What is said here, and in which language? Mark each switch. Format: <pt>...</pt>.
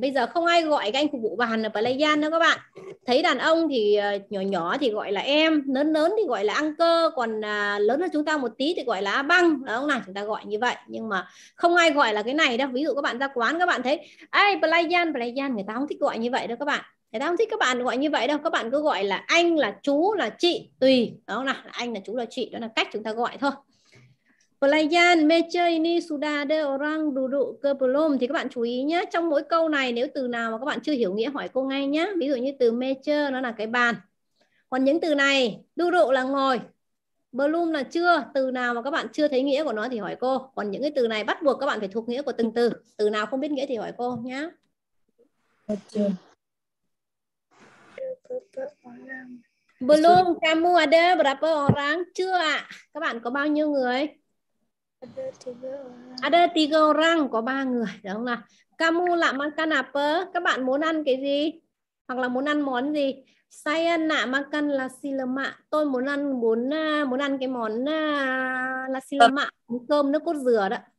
<vi>Bây giờ không ai gọi các anh phục vụ bàn là Playan nữa các bạn. Thấy đàn ông thì nhỏ nhỏ thì gọi là em, lớn lớn thì gọi là ăn cơ, còn lớn hơn chúng ta một tí thì gọi là băng. Đúng không nào? Chúng ta gọi như vậy. Nhưng mà không ai gọi là cái này đâu. Ví dụ các bạn ra quán các bạn thấy, ai Playan, Playan, người ta không thích gọi như vậy đâu các bạn. Người ta không thích các bạn gọi như vậy đâu. Các bạn cứ gọi là anh, là chú, là chị, tùy. Đúng không nào? Anh là chú, là chị, đó là cách chúng ta gọi thôi.</vi> <ms>Pelayan meja ini sudah ada orang duduk ke belum?</ms> <vi>Thì các bạn chú ý nhé. Trong mỗi câu này nếu từ nào mà các bạn chưa hiểu nghĩa hỏi cô ngay nhé. Ví dụ như từ meja nó là cái bàn. Còn những từ này duduk là ngồi, belum là chưa. Từ nào mà các bạn chưa thấy nghĩa của nó thì hỏi cô. Còn những cái từ này bắt buộc các bạn phải thuộc nghĩa của từng từ. Từ nào không biết nghĩa thì hỏi cô nhé.</vi> <ms>Belum, kamu ada berapa orang?</ms> <vi>Chưa ạ. Các bạn có bao nhiêu người?</vi> <ms>Ada tiga orang,</ms> <vi>có ba người, đúng không nào?</vi> <ms>Kamu la makan apa?</ms> <vi>Các bạn muốn ăn cái gì? Hoặc là muốn ăn món gì?</vi> <ms>Saya la makan nasi lemak.</ms> <vi>Tôi muốn ăn muốn ăn cái món nasi lemak, cơm nước cốt dừa đó.</vi>